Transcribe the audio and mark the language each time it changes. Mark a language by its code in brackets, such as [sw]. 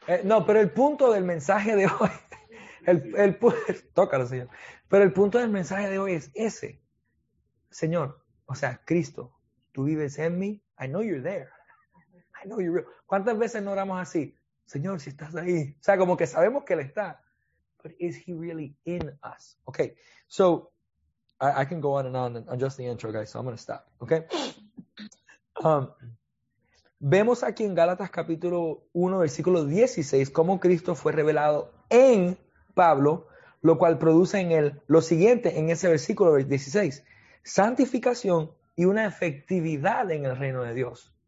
[es] No, pero el punto del mensaje de hoy, el tócalo, señor. Pero el punto del mensaje de hoy es ese. Señor, o sea, Cristo, tú vives en mí. [en] I know you're there. I know you're real. [es] ¿Cuántas veces no oramos así? Señor, si estás ahí. O sea, como que sabemos que Él está. [en] But is He really in us? Okay. So, I can go on just the intro, guys. So, I'm going to stop. Okay. [es] Vemos aquí en Gálatas capítulo 1, versículo 16, cómo Cristo fue revelado en Pablo, lo cual produce en él lo siguiente, en ese versículo 16. Santificación y una efectividad en el reino de Dios.